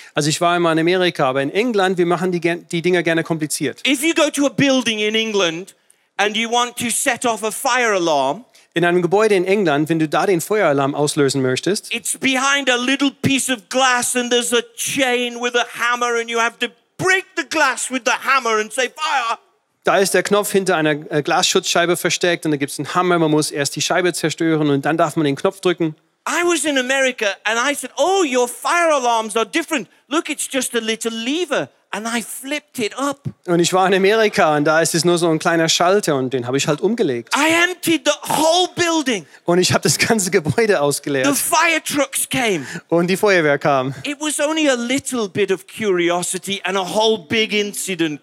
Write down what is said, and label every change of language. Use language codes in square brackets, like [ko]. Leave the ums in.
[de] Also ich war in Amerika, aber in England wir machen die die Dinge gerne [en] If you go to a building in England and you want to set off a fire alarm [de] in einem Gebäude in England, wenn du da den Feueralarm auslösen möchtest, [en] it's behind a little piece of glass and there's a chain with a hammer and you have to break the glass with the hammer and say fire. [de] Da ist der Knopf hinter einer Glasschutzscheibe versteckt und da gibt es einen Hammer. Man muss erst die Scheibe zerstören und dann darf man den Knopf drücken. [en] I was in America and I said, oh, your fire alarms are different. Look, it's just a little lever. And I flipped it up. [de] Und ich war in Amerika und da ist es nur so ein kleiner Schalter und den habe ich halt umgelegt. [en] I emptied the whole building. [de] Und ich habe das ganze Gebäude ausgeleert. [en] The fire trucks came. [de] Und die Feuerwehr kam. [en] It was only a little bit of curiosity and a whole big incident